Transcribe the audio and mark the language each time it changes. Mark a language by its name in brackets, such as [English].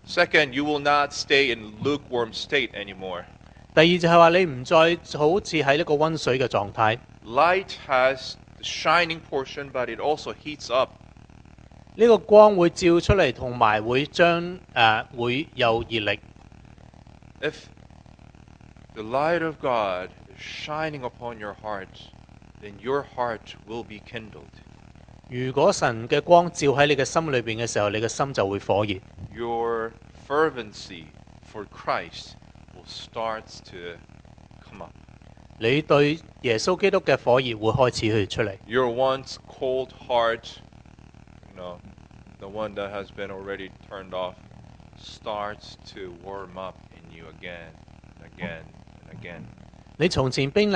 [English] Second, you will not stay in lukewarm state anymore. [Chinese] 第二就是说你不再好像在一个温水的状态。 [English] Light has the shining portion, but it also heats up. [Chinese] 这个光会照出来，同埋会将会有热力。 [English] If the light of God is shining upon your heart, then your heart will be kindled. [Chinese] 如果神的光照在你的心里面的时候，你的心就会火热。 [English] Your fervency for Christ will start to come up. [Chinese] 你对耶稣基督的火热会开始去出来。 [English] Your once cold heart, you know, the one that has been already turned off, starts to warm up in you again and again and again.